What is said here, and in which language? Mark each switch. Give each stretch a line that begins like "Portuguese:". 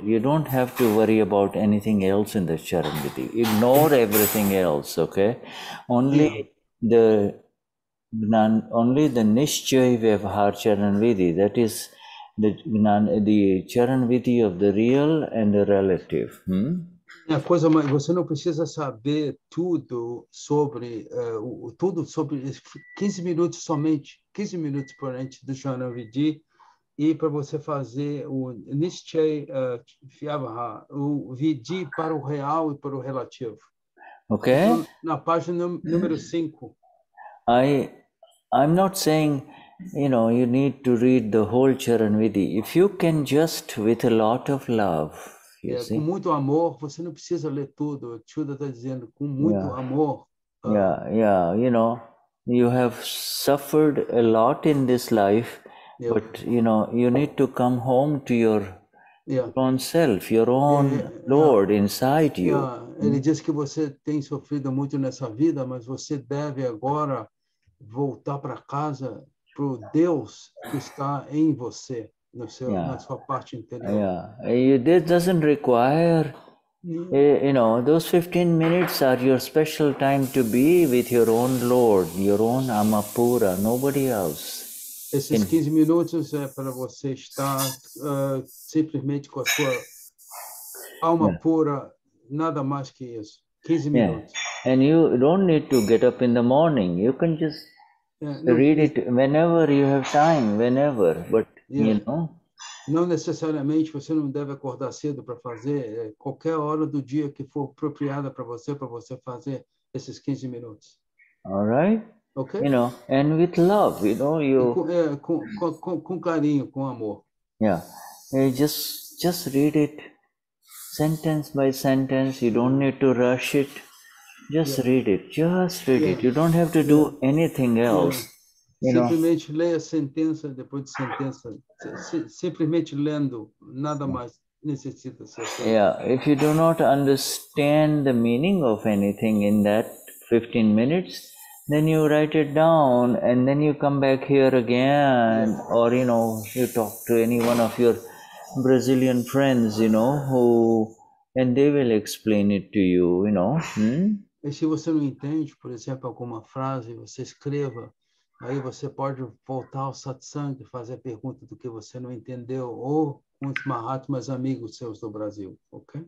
English: You don't have to worry about anything else in the Charan Vidhi. Ignore everything else, okay? Only the Nishchay Vyavahar Charan Vidhi, that is the Charan Vidhi of the real and the relative.
Portuguese: A coisa, mas você não precisa saber tudo sobre, tudo sobre 15 minutos somente, 15 minutos por ante do Gnan Vidhi, e para você fazer o Nishchay Vyavahar, o Vidhi para o real e para o relativo. Ok. Na página número 5.
English: I'm not saying, you know, you need to read the whole Charan Vidhi. If you can just, with a lot of love,
Portuguese: com muito amor, você não precisa ler tudo. O Shuddha está dizendo, com muito amor.
English: You know, you have suffered a lot in this life, but, you know, you need to come home to your own self, your own Lord inside you.
Portuguese: Ele diz que você tem sofrido muito nessa vida, mas você deve agora voltar para casa, para o Deus que está em você, no seu, na sua parte interior.
English: This doesn't require, you know, those 15 minutes are your special time to be with your own Lord, your own Amapura, nobody else.
Portuguese: Esses 15 minutos é para você estar simplesmente com a sua alma pura, nada mais que isso. 15 minutos.
English: And you don't need to get up in the morning. You can just read it whenever you have time, whenever. But, you know.
Portuguese: Não necessariamente você não deve acordar cedo para fazer. Qualquer hora do dia que for apropriada para você fazer esses 15 minutos.
English: All right. Okay. You know, and with love, you know, you...
Portuguese: Com carinho, com amor.
English: Yeah. You just read it sentence by sentence. You don't need to rush it. Just read it. Just read it. You don't have to do anything else.
Portuguese: Simplesmente leia sentença depois de sentença. Simplesmente lendo, nada mais necessita ser.
English: Yeah. If you do not understand the meaning of anything in that 15 minutes, then you write it down, and then you come back here again, or, you know, you talk to any one of your Brazilian friends, you know, who, and they will explain it to you, you know.
Portuguese: E se você não entende, por exemplo, alguma frase, você escreva, aí você pode voltar ao satsang e fazer a pergunta do que você não entendeu, ou com os Mahatmas amigos seus do Brasil, ok?